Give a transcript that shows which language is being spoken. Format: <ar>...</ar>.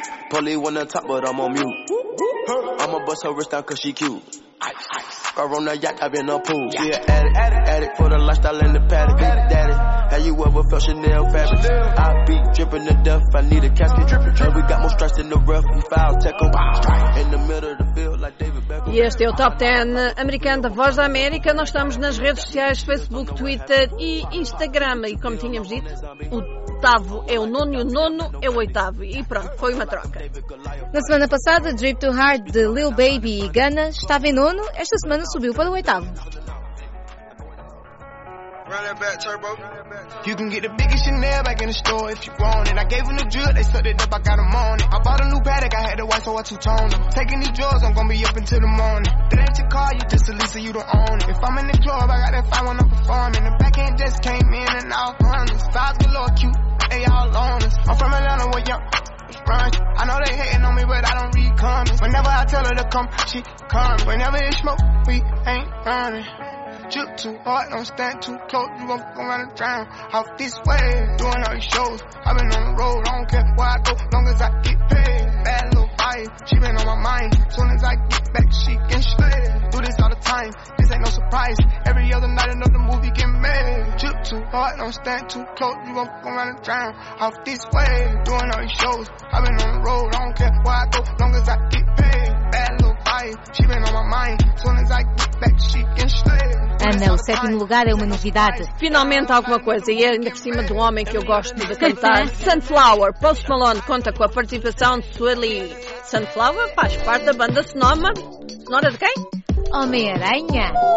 <en>Pully one on top, but I'm on mute. I'ma bust her wrist down cause she cute. Ice, ice. Girl on the yacht, I've been up pool. She an addict for the lifestyle in the paddock. Big daddy, how you ever felt Chanel fabric? I be dripping to death, I need a casket. Drippin'. And we got more strikes than the rough, we foul tackle. In the middle of the field, like David Beckham.</en> <pt>E este é o Top 10 americano da Voz da América. Nós estamos nas redes sociais, Facebook, Twitter e Instagram. E como tínhamos dito, o oitavo é o nono e o nono é o oitavo. E pronto, foi uma troca. Na semana passada, Drip to Hard de Lil Baby e Gunna estava em nono, esta semana subiu para o oitavo.</pt> <en>Run that back, turbo. You can get the biggest Chanel back in the store if you want it. I gave them the drill, they set it up, I got them on it. I bought a new paddock, I had to watch. I saw a two-tone. Taking these drugs, I'm gonna be up until the morning. That ain't your car, you just a Lisa, you don't own it. If I'm in the club, I got that fire when I'm performing. The back end just came in and out honest. Vibes get a little cute, they all on us. I'm from Atlanta where young runs. I know they hating on me, but I don't read comments. Whenever I tell her to come, she comes. Whenever it's smoke, we ain't running. Drip too hard, don't stand too close. You gon' fuck around and drown. Off this way, doing all these shows. I've been on the road, I don't care where I go, long as I get paid. Bad little vibe, she been on my mind. Soon as I get back, she can stay. Do this all the time, this ain't no surprise. Every other night, another movie get made. Drip too hard, don't stand too close. You gon' fuck around and drown. Off this way, doing all these shows. I've been on the road, I don't care where I go, long as I get paid. Bad little vibe, she been on my mind. Soon as I get back, she can stay.</en> <pt>Ana, o sétimo lugar é uma novidade. Finalmente alguma coisa, e ainda por cima do homem que eu gosto de cantar. Sunflower, Post Malone conta com a participação de Sueli. Sunflower faz parte da banda Sonoma. Sonora de quem? Homem-Aranha.</pt>